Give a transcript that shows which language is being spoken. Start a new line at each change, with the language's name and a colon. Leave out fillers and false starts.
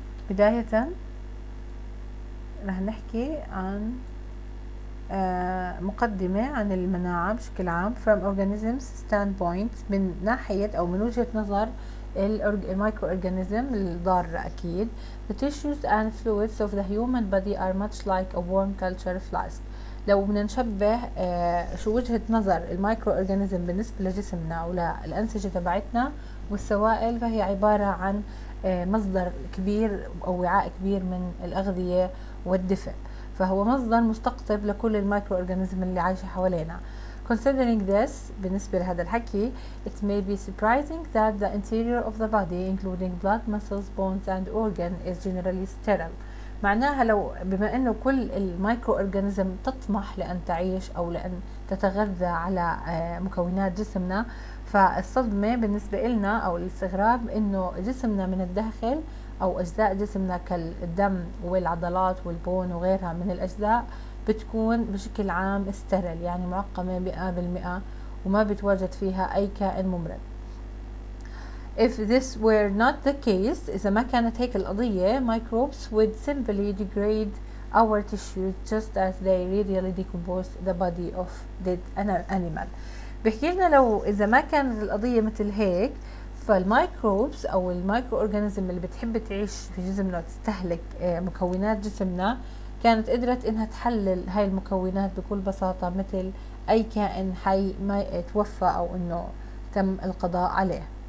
Arabic: بداية رح نحكي عن مقدمة عن المناعة بشكل عام
English: from organisms standpoint،
Arabic: من ناحية أو من وجهة نظر الميكرو أورجانيزم الضارة. أكيد
English: the tissues and fluids of the human body are much like a warm culture flask.
Arabic: لو بدنا نشبه شو وجهة نظر الميكرو أورجانيزم بالنسبة لجسمنا أو للأنسجة تبعتنا والسوائل، فهي عبارة عن مصدر كبير أو وعاء كبير من الأغذية والدفء، فهو مصدر مستقطب لكل الميكرو أورجانيزم اللي عايشة حوالينا.
English: Considering this،
Arabic: بالنسبة لهذا الحكي،
English: it may be surprising that the interior of the body including blood, muscles, bones and organ is generally sterile.
Arabic: معناها لو بما أنه كل الميكرو أورجانيزم تطمح لأن تعيش أو لأن تتغذى على مكونات جسمنا، فالصدمة بالنسبة إلنا أو الاستغراب إنه جسمنا من الداخل أو أجزاء جسمنا كالدم والعضلات والبون وغيرها من الأجزاء بتكون بشكل عام استرل، يعني معقمة 100% وما بتواجد فيها أي كائن ممرض.
English: If this were not the case،
Arabic: إذا ما كانت هيك القضية،
English: microbes would simply degrade our tissues just as they radially decompose the body of dead animal.
Arabic: بحكي لنا لو إذا ما كانت القضية مثل هيك، فالمايكروبس أو المايكرو أورجانيزم اللي بتحب تعيش في جسمنا وتستهلك مكونات جسمنا كانت قدرت إنها تحلل هاي المكونات بكل بساطة مثل أي كائن حي ما توفى أو إنه تم القضاء عليه.